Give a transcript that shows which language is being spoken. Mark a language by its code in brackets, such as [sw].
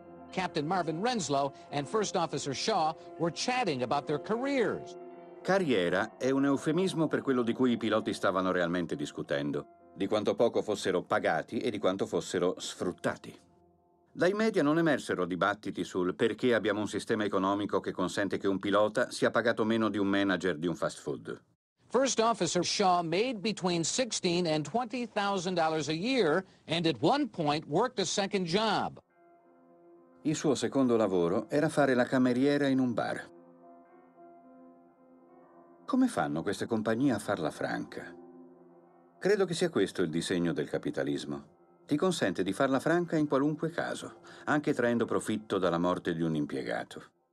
[en] Captain Marvin Renslow and First Officer Shaw were chatting about their careers. [it] Carriera è un eufemismo per quello di cui i piloti stavano realmente discutendo, di quanto poco fossero pagati e di quanto fossero sfruttati. Dai media non emersero dibattiti sul perché abbiamo un sistema economico che consente che un pilota sia pagato meno di un manager di un fast food. [en] First Officer Shaw made between $16,000 and $20,000 a year and at one point worked a second job. [it] Il suo secondo lavoro era fare la cameriera in un bar. Come fanno queste compagnie a farla franca? Credo che sia questo il disegno del capitalismo. Ti consente di farla franca in qualunque caso, anche traendo profitto dalla morte di un impiegato.